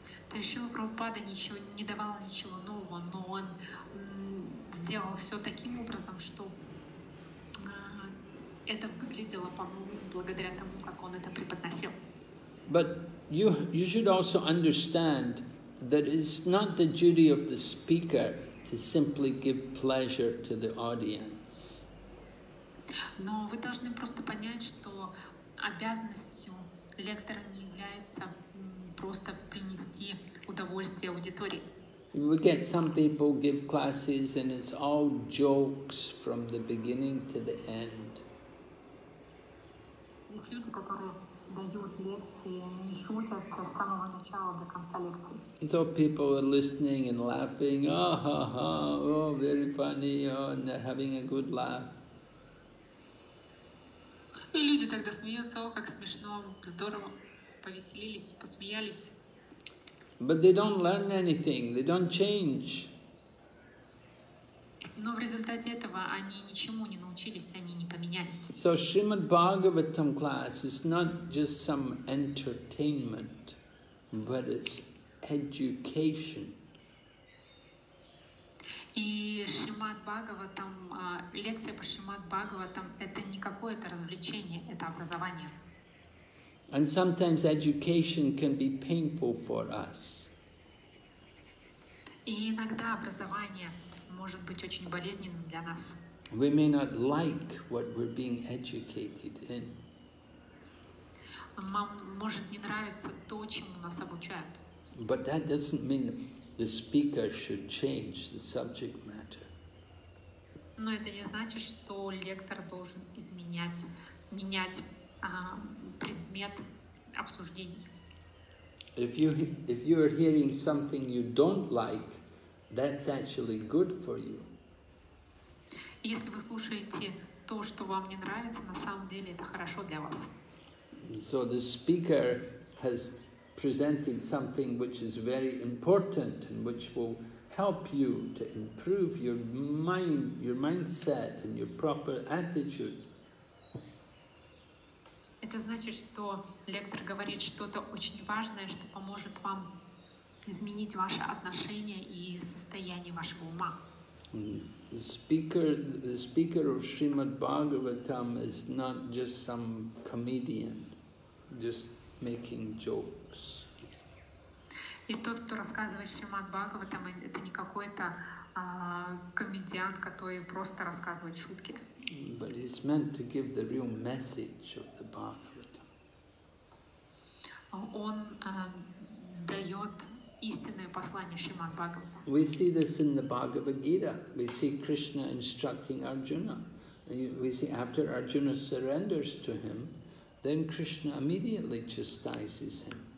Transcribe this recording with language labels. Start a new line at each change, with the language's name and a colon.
Russian: То есть Шрила Прабхупада ничего не давал ничего нового, но он сделал все таким образом, что это выглядело по-новому благодаря тому, как он это преподносил.
English: But you should also understand that it's not the duty of the speaker to simply give pleasure to the audience.
Russian: Но вы должны просто понять, что обязанностью лектора не является просто принести удовольствие аудитории.
English: We get some people give classes and it's all jokes from the beginning to the end.
Russian: Есть люди, которые дают лекции, они шутят с самого начала до конца лекции.
English: So people are listening and laughing, oh, ha, ha, oh, very funny, oh, and they're having a good laugh.
Russian: И люди тогда смеются, о, как смешно, здорово, повеселились, посмеялись.
English: But they don't learn anything, they don't change.
Russian: Но в результате этого они ничему не научились, они не поменялись.
English: So Srimad Bhagavatam class is not just some entertainment, but it's education.
Russian: И Шримад Бхагаватам, лекция по Шримад Бхагаватам — это не какое-то развлечение, это образование.
English: And sometimes education can be painful for us.
Russian: И иногда образование может быть очень болезненным для нас.
English: We may not like what we're being educated in.
Russian: Может не нравится то, чему нас обучают.
English: But that doesn't mean the speaker should change the subject matter.
Russian: Но это не значит, что лектор должен менять предмет обсуждений.
English: If you are hearing something you don't like, that's actually good for you.
Russian: Если вы слушаете то, что вам не нравится, на самом деле это хорошо для вас.
English: So the speaker has presented something which is very important and which will help you to improve your mind, your mindset and your proper attitude.
Russian: Это значит, что лектор говорит что-то очень важное, что поможет вам изменить ваше отношение и состояние вашего ума.
English: The speaker of Srimad Bhagavatam is not just some comedian, just making jokes.
Russian: И тот, кто рассказывает Шримад Бхагаватам, это не какой-то комедиант, который просто рассказывает шутки.
English: But he's meant to give the real message of the Bhagavatam.
Russian: Он дает истинное послание Шримад Бхагаватам.
English: We see this in the Bhagavad Gita. We see Krishna instructing Arjuna. We see after Arjuna surrenders to him, then Krishna immediately chastises him.